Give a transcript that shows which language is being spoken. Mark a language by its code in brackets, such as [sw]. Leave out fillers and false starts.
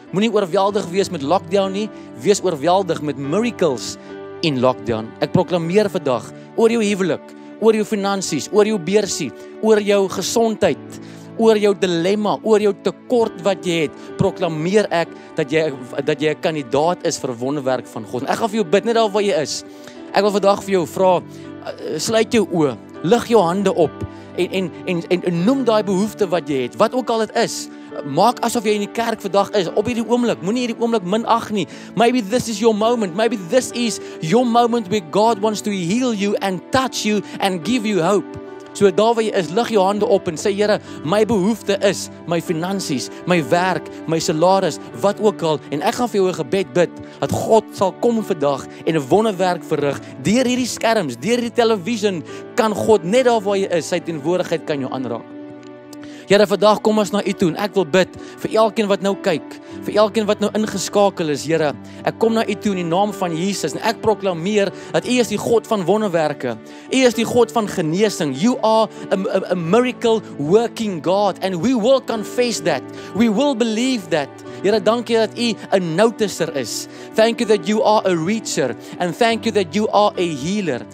[af] Moet nie oorweldig wees met lockdown nie, wees oorweldig met miracles in lockdown. Ek proklameer vandag, oor jou huwelik, oor jou finansies, oor jou beursie, oor jou gezondheid, oor jou dilemma, oor jou tekort wat jy het, proklameer ek dat jy 'n kandidaat is vir wonderwerk van God. En ek gaan vir jou bid, net al wat jy is. Ek wil vandag vir jou vra, sluit jou oë, lig jou hande op, en noem daai behoefte wat jy het, wat ook al het is. Maak asof jy in die kerk vandag is, op hierdie oomblik, moenie hierdie oomblik minag nie. [en] Maybe this is your moment, maybe this is your moment where God wants to heal you and touch you and give you hope. [af] So daar waar jy is, lig jou hande op en sê, Here, my behoefte is my finansies, my werk, my salaris, wat ook al. En ek gaan vir jou 'n gebed bid, dat God sal kom vandag en 'n wonderwerk verrig. Deur hierdie skerms, deur die television, kan God net daar waar jy is, sy teenwoordigheid kan jou aanraak. Here, vandag kom ons na u toe en ek wil bid vir elkeen wat nou kyk, vir elkeen wat nou ingeskakel is, Here. Ek kom na u toe in die naam van Jesus en ek proklameer dat u is die God van wonderwerke. U is die God van genesing. [en] You are a miracle working God and we will confess that. We will believe that. Here, thank you that you are a noticer. Thank you that you are a reacher. And thank you that you are a healer.